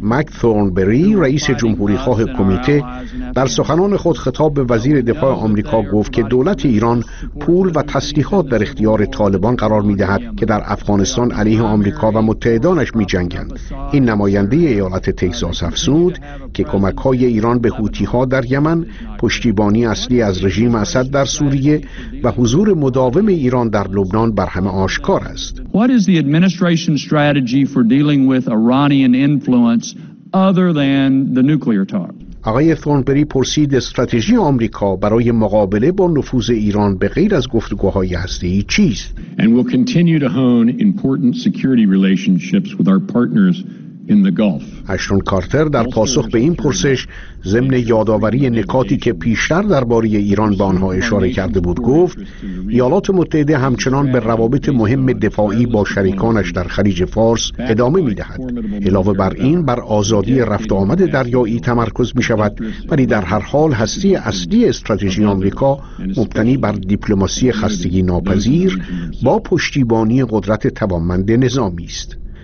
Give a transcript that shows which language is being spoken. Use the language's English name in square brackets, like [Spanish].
[Persian] مک ثورنبری، رئیس جمهوری‌خواه کمیته، در سخنان خود خطاب به وزیر دفاع آمریکا گفت که دولت ایران پول و تسلیحات در اختیار طالبان قرار می‌دهد که در افغانستان علیه آمریکا و متحدانش می‌جنگند. این نماینده ایالت تگزاس افزود که کمک‌های ایران به حوثی‌ها در یمن، پشتیبانی اصلی از رژیم اسد در سوریه و حضور مداوم ایران در لبنان بر همه آشکار است. [English] What is the administration's strategy for dealing with Iranian influence other than the nuclear talk? [Persian] آقای ثورنبری پرسید استراتژی آمریکا برای مقابله با نفوذ ایران به غیر از گفتگوهای هسته‌ای چیست؟ [English] And we'll continue to hone important security relationships with our partners in the Gulf. [Persian] اشتون کارتر در پاسخ به این پرسش ضمن یادآوری نکاتی که پیشتر درباره ایران به آنها اشاره کرده بود گفت ایالات متحده همچنان به روابط مهم دفاعی با شریکانش در خلیج فارس ادامه می‌دهد. علاوه بر این بر آزادی رفت و آمد دریایی تمرکز می‌شود، ولی در هر حال هستی اصلی استراتژی آمریکا مبتنی بر دیپلماسی خستگی ناپذیر با پشتیبانی قدرت توانمند نظامی است.